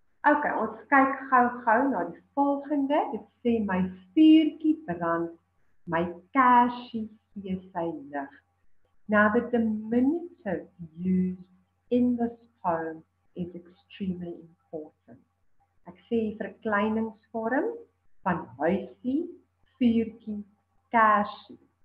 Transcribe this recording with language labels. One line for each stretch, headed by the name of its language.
Afrikaans: OK, ons kyk gou-gou na die volgende. Dit sê my vuurtjie brand, my kersie gee sy lig.
English: Now the diminutive used in this poem is extremely important.
Afrikaans: Ek sê verkleiningsvorm van huisie, vuurtjie, kersie.